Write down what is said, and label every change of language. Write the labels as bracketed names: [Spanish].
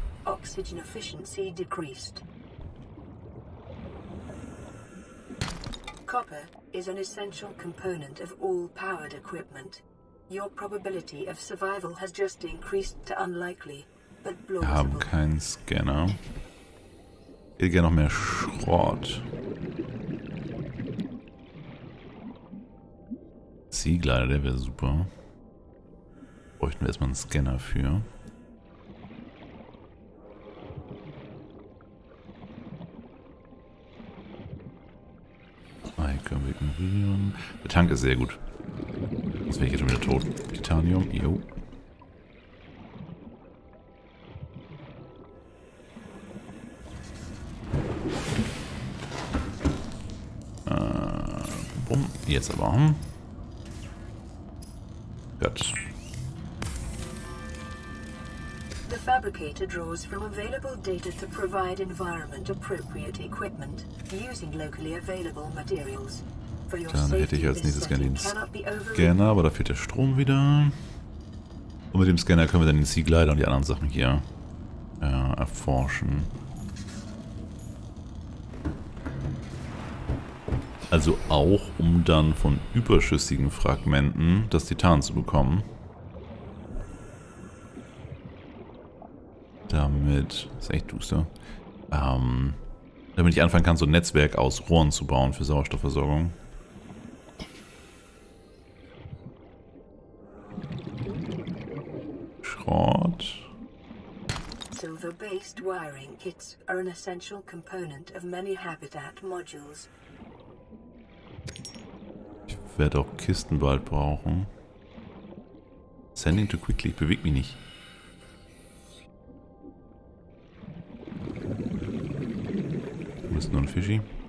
[English] Oxygen efficiency decreased. Copper is an essential component of all powered equipment. Your probability of survival has just increased to unlikely, but plausible. [German] Wir haben keinen Scanner. Ich hätte noch mehr Schrott. Seeglider, der wäre super. Bräuchten wir erstmal einen Scanner für. Ah, hier können wir ignorieren. Der Tank ist sehr gut. Sonst wäre ich jetzt schon wieder tot. Titanium, jo. Jetzt aber. Gut. [English] The fabricator draws from available data to provide environment appropriate equipment using locally available materials. [German] Dann hätte ich als nächstes gerne den Scanner, aber da fehlt der Strom wieder. Und mit dem Scanner können wir dann den Seaglider und die anderen Sachen hier erforschen. Also auch, um dann von überschüssigen Fragmenten das Titan zu bekommen. Damit, das ist echt duster. Damit ich anfangen kann, so ein Netzwerk aus Rohren zu bauen für Sauerstoffversorgung. Schrott. [English] Silver-based wiring kits are an essential component of many habitat modules. [German] Ich werde auch Kisten bald brauchen. Sending too quickly, ich bewege mich nicht. Wo ist nur ein Fischi?